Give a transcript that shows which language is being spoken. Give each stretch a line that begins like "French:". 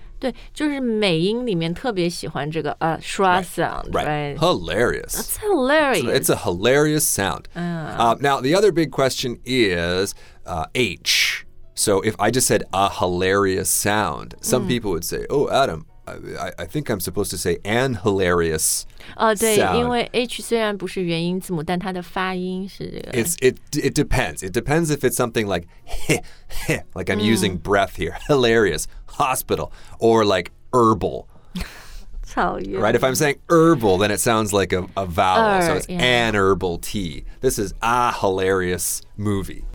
Chinese: 对，就是美音里面特别喜欢这个schwa sound.
English: Right. Hilarious. That's hilarious. It's a hilarious sound. Now, the other big question is H. So if I just said a hilarious sound, some people would say, oh, Adam,I think I'm supposed to say an hilarious sound.
Chinese: 对，因为 H 虽然不是元音字母，但它的发音是这个。
English: It depends. It depends if it's something like, heh, heh, like I'm using breath here. Hilarious, hospital, or like herbal.
Chinese: 草原。
English: Right, if I'm saying herbal, then it sounds like a vowel. So it's an herbal tea. This is a hilarious movie.